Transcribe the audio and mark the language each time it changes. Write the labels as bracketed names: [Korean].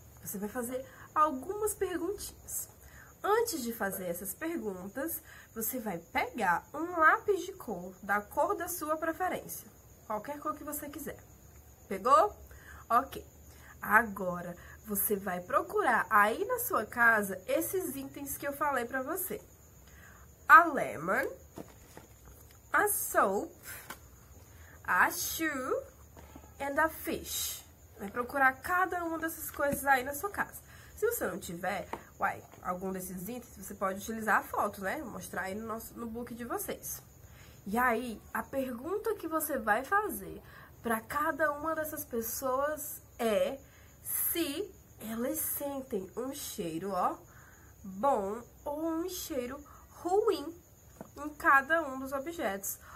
[Portuguese] Você vai fazer algumas perguntinhas. Antes de fazer essas perguntas, você vai pegar um lápis de cor da cor da sua preferência. Qualquer cor que você quiser. Pegou? Ok, agora você vai procurar aí na sua casa esses itens que eu falei pra você. [English] A lemon, a soap, a shoe and a fish. [Portuguese] Vai procurar cada uma dessas coisas aí na sua casa. Se você não tiver, uai, algum desses itens, você pode utilizar a foto, né? Mostrar aí no nosso notebook de vocês. E aí, a pergunta que você vai fazer para cada uma dessas pessoas é se elas sentem um cheiro, ó, bom ou um cheiro ruim em cada um dos objetos.